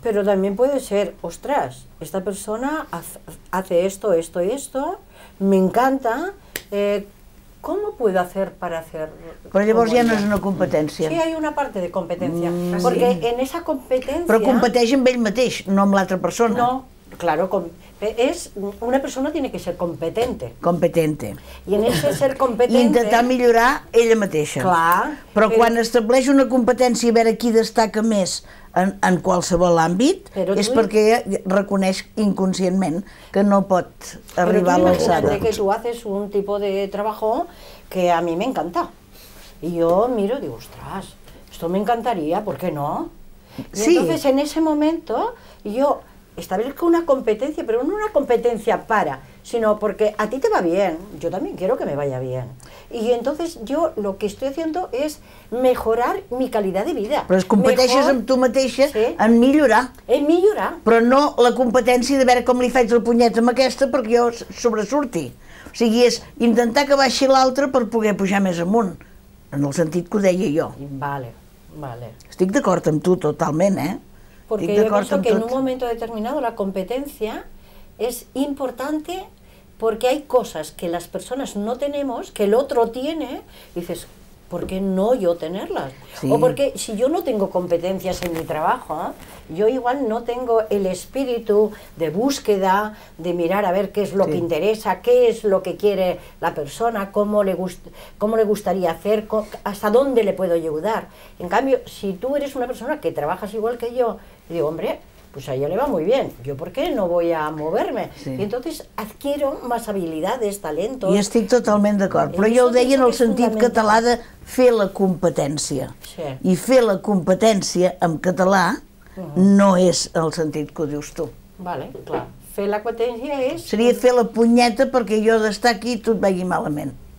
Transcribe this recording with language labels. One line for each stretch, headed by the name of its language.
Catalan: Però també pot ser, ostres,
Spanish: esta persona hace esto, esto y esto,
Catalan: m'encanta, com ho puc fer per fer... Però llavors ja no és una competència. Sí, hi ha una part de competència. Mm. Perquè en esa competència... Però competeix amb ell mateix, no amb l'altra persona.
Spanish: No, claro, una persona tiene que ser competente. Competente. Y en ese ser competente...
Catalan: I intentar millorar ella mateixa. Clar. Però quan estableix una competència i veure qui destaca més en qualsevol àmbit, és perquè reconeix inconscientment que no pot arribar a l'alçada.
Spanish: Que tu haces un tipo de trabajo que a mi m'encanta.
Catalan: I jo miro i dic, ostres,
Spanish: esto m'encantaría, ¿por qué no?
Catalan: Sí.
Spanish: Entonces, en ese momento, yo establezca una competencia, pero no una competencia para, sino porque a ti te va bien, yo también quiero que me vaya bien. Y entonces yo lo que estoy haciendo es mejorar mi calidad de vida.
Catalan: Però es competeixes mejor, amb tu mateixa, sí, en millorar. En millorar. Però no la competència de veure com li faig el punyet amb aquesta perquè jo sobresurti. O sigui, és intentar que baixi l'altre per poder pujar més amunt, en el sentit que ho deia jo. Vale, vale. Estic d'acord amb tu totalment, eh?
Spanish: Porque yo pienso que en un momento determinado la competencia es importante porque hay cosas que las personas no tenemos, que el otro tiene, y dices, ¿por qué no yo tenerlas? Sí. O porque si yo no tengo competencias en mi trabajo, ¿eh? Yo igual no tengo el espíritu de búsqueda, de mirar a ver qué es lo sí. que interesa, qué es lo que quiere la persona, cómo le gustaría hacer, hasta dónde le puedo ayudar. En cambio, si tú eres una persona que trabajas igual que yo, digo, hombre, pues a ella le va muy bien, ¿yo por qué no voy a moverme? Sí. Y entonces adquiero más habilidades, talentos...
Catalan: I estic totalment d'acord, però jo ho deia en el sentit català de fer la competència. Sí. I fer la competència en català no és el sentit que ho dius tu. Vale, clar. Fer la competència és... Seria fer la punyeta perquè jo d'estar aquí tu et vegi malament.